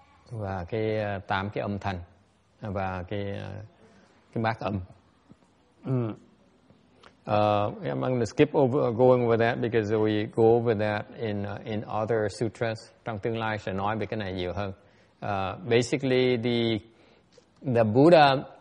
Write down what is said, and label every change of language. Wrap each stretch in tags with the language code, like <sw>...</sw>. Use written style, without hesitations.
<vi>Và cái tám cái âm thanh và cái bát âm.</vi> <en>I'm going to skip over going over that because we go over that in other sutras.</en> <vi>Trong tương lai sẽ nói về cái này nhiều hơn.</vi> <en>Basically, the Buddha</en>